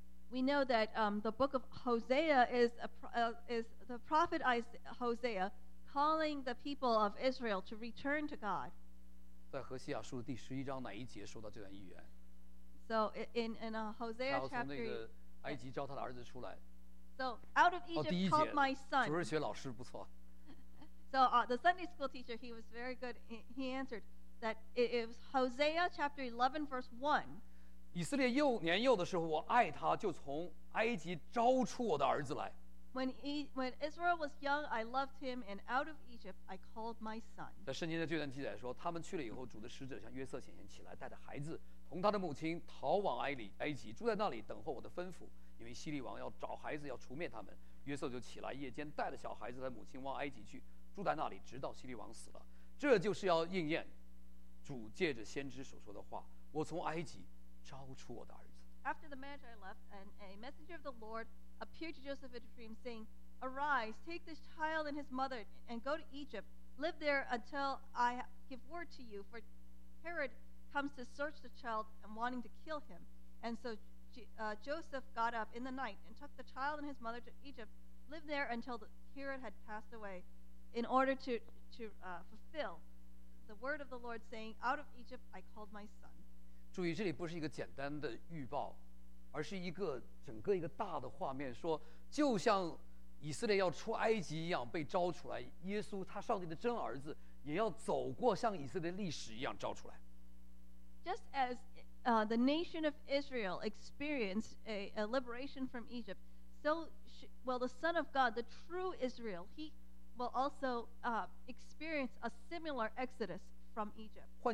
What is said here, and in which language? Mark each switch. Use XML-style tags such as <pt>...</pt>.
<en>We know that the book of Hosea is the prophet Hosea calling the people of Israel to return to God.</en> <zh>在何西亚书的第十一章哪一节说到这段预言？</zh> <en>So in Hosea chapter</en> <zh>3, 他要从那个埃及召他的儿子出来。</zh> <en>So out of Egypt called my son.</en> <zh>主日学老师不错。</zh> <en>So the Sunday school teacher, he was very good. He answered, that it was Hosea chapter 11 verse 1.</en> <zh>以色列幼年幼的时候, 我爱他, 就从埃及招出我的儿子来。</zh> <en>When Israel was young, I loved him, and out of Egypt, I called my son.</en> <zh>在圣经的这段记载说, 他们去了以后, 主的使者向约瑟显现起来, 带着孩子, 同他的母亲逃往埃及, 住在那里等候我的吩咐, 因为希利王要找孩子, 要除灭他们, 约瑟就起来, 夜间, 带着小孩子, 他母亲往埃及去, 住在那里, 直到希利王死了。这就是要应验, 主借着先知所说的话, 我从埃及招出我的儿子。</zh> <en>After the marriage, I left, and a messenger of the Lord appeared to Joseph in a dream, saying, Arise, take this child and his mother, and go to Egypt. Live there until I give word to you, for Herod comes to search the child and wanting to kill him. And so Joseph got up in the night and took the child and his mother to Egypt, lived there until Herod had passed away, in order to fulfill the word of the Lord, saying, Out of Egypt I called my son.</en> <zh>注意这里不是一个简单的预报, 而是一个整个一个大的画面，说就像以色列要出埃及一样被招出来，耶稣他上帝的真儿子也要走过像以色列历史一样招出来。</zh> <en>Just as the nation of Israel experienced a liberation from Egypt, so will the Son of God, the true Israel, he will also experience a similar exodus from Egypt.</en>